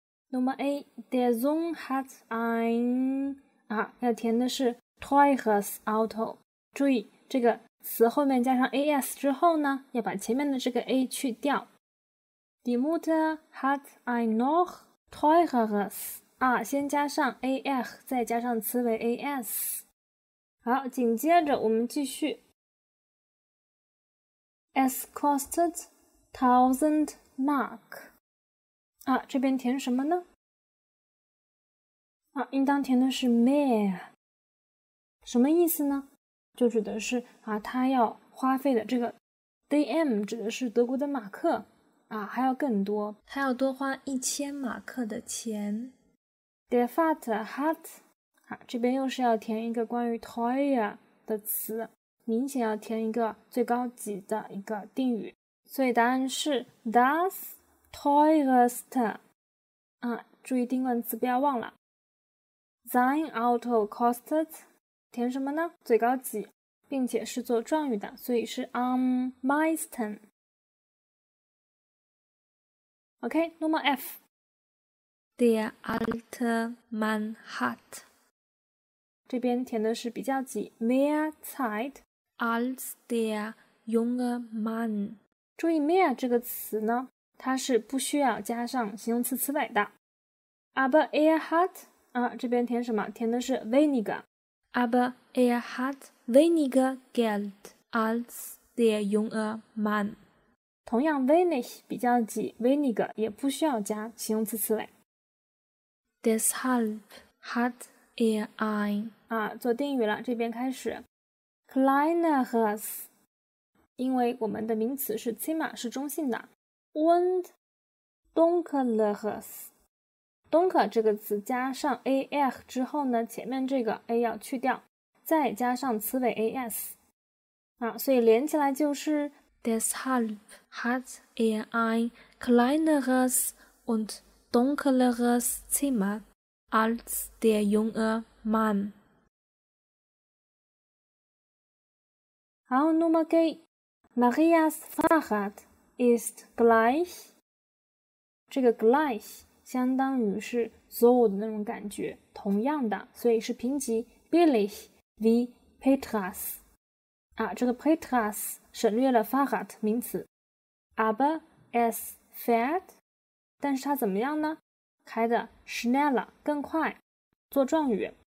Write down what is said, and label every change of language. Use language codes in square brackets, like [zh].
[de] Nummer A, der Sohn hat ein [zh] 啊，要填的是 [de] teures Auto。 [zh] 注意这个词后面加上 as 之后呢，要把前面的这个 a 去掉。 [de] Die Mutter hat ein noch teures [zh] 啊，先加上 as， 再加上词尾 as。好，紧接着我们继续。 [de] Es kostet 1000。 [zh] Mark 啊，这边填什么呢？啊，应当填的是 mehr， 什么意思呢？就指的是啊，他要花费的这个 DM 指的是德国的马克啊，还要更多，他要多花1000马克的钱。 [de] Der Vater hat [zh] 啊，这边又是要填一个关于 teuer 的词，明显要填一个最高级的一个定语。所以答案是 [de] das teuerst [zh] 啊，注意定冠词不要忘了。 [de] Sein Auto kostet [zh] 填什么呢？最高级，并且是做状语的，所以是 [de] am meisten。 OK, Nummer F. der alte Mann hat. [zh] 这边填的是比较级 [de] mehr Zeit als der junge Mann. [zh] 注意 mehr 这个词呢，它是不需要加上形容词词尾的。 [de] Aber er hat [zh] 啊，这边填什么？填的是 weniger. [de] Aber er hat weniger Geld als der junge Mann. [zh] 同样 wenig 比较级 weniger 也不需要加形容词词尾。 [de] Deshalb hat er ein [zh] 啊，做定语了，这边开始 kleineres， 因为我们的名词是 zimmer 是中性的 [de] und dunkleres， [zh] dunkel 这个词加上 er 之后呢，前面这个 a 要去掉，再加上词尾 as， 啊，所以连起来就是。 [de] Deshalb hat er ein kleineres und dunkleres Zimmer als der junge Mann. [zh] 好 [de] Nummer G. Marias Fahrrad ist gleich. [zh] 这个 gleich 相当于是 so 的那种感觉，同样的，所以是平级 [de] billig wie Petras. [zh] 啊，这个 Petras. 省略了 Fahrrad 名词 [de] Aber es fährt [zh] 但是它怎么样呢开的 schneller 更快做状语